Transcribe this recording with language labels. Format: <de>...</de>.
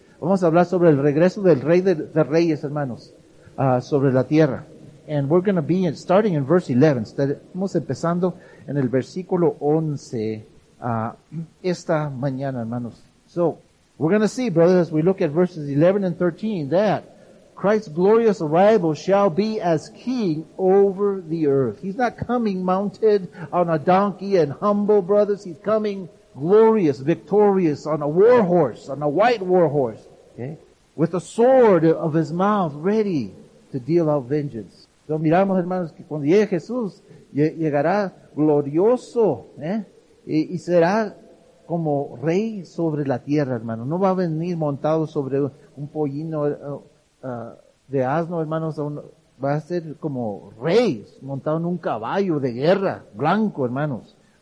<es>Vamos a hablar sobre el regreso del rey de reyes, hermanos, sobre la tierra.</es> <en>And we're going to be starting in verse 11.</en> <es>Estamos empezando en el versículo 11 esta mañana, hermanos.</es> <en>So, we're going to see, brothers, as we look at verses 11 and 13, that Christ's glorious arrival shall be as king over the earth. He's not coming mounted on a donkey and humble, brothers. He's coming glorious, victorious on a war horse, on a white war horse, okay? With the sword of his mouth ready to deal out vengeance.</en> <es>So, miramos, hermanos, que cuando llegue Jesús, llegará glorioso, y será como rey sobre la tierra, hermano. No va a venir montado sobre un pollino de asno, hermanos. Va a ser como rey montado en un caballo de guerra, blanco, hermanos.</es>